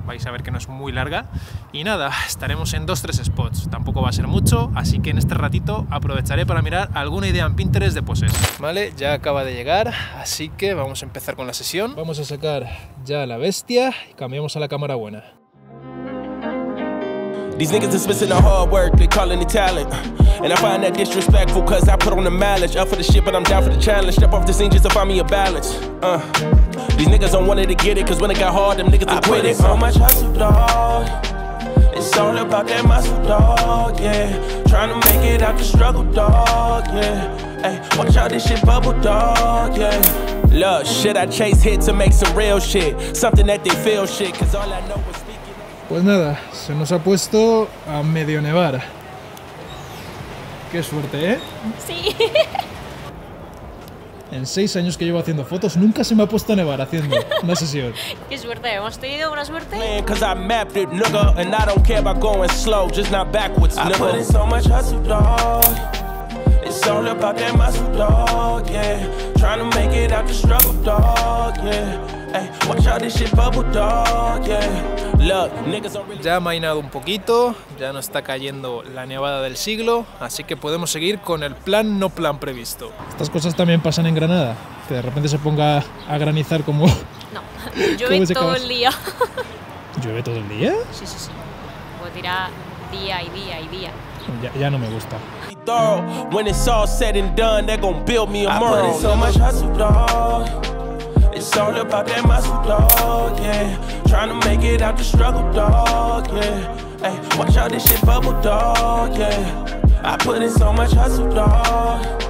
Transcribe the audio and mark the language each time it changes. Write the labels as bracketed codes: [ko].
[es] Vais a ver que no es muy larga. Y nada, estaremos en 2-3 spots. Tampoco va a ser mucho, así que en este ratito aprovecharé para mirar alguna idea en Pinterest de poses. Vale, ya acaba de llegar, así que vamos a empezar con la sesión. Vamos a sacar ya la bestia y cambiamos a la cámara buena. [en] These niggas is missing the hard work, they calling it talent. And I find that disrespectful cause I put on the mileage. Up for the shit but I'm down for the challenge. Step off the scene just to find me a balance. These niggas don't want it to get it cause when it got hard them niggas will quit it. So much hustle dog. It's all about that muscle, dog, yeah. Tryna make it out the struggle, dog, yeah. Ay, watch out this shit bubble, dog, yeah. Look, shit, I chase hit to make some real shit. Something that they feel shit, cause all I know is speaking. [es] Pues nada, se nos ha puesto a medio nevar. Qué suerte, ¿eh? Sí. En 6 años que llevo haciendo fotos, nunca se me ha puesto a nevar haciendo una sesión. Qué suerte, hemos tenido una suerte. [en] Cause I mapped it, nigga, and I don't care about going slow, just not backwards. I put in so much hustle, dog. It's all about that muscle, dog, yeah. Trying to make it out the struggle, dog, yeah. Ay, watch out this shit bubble, dog, yeah. [es] Ya ha amainado un poquito, ya no está cayendo la nevada del siglo, así que podemos seguir con el plan no plan previsto. Estas cosas también pasan en Granada, que de repente se ponga a granizar como... No, llueve todo el día. ¿Llueve todo el día? Sí, sí, sí. Puedo tirar día y día y día. Ya no me gusta. [en] When it's all said and done, they're gonna build me a mural. So much hustle, dog. It's all about that muscle, dog, yeah. Trying to make it out the struggle, dog, yeah. Ay, watch out this shit bubble, dog, yeah. I put in so much hustle, dog.